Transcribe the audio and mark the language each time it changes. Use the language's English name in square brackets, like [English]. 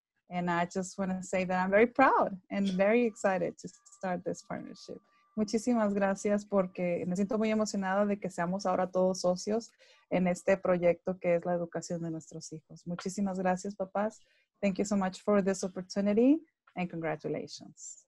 [English] And I just want to say that I'm very proud and very excited to start this partnership. [Spanish] Muchísimas gracias, porque me siento muy emocionada de que seamos ahora todos socios en este proyecto que es la educación de nuestros hijos. Muchísimas gracias, papás. [English] Thank you so much for this opportunity and congratulations.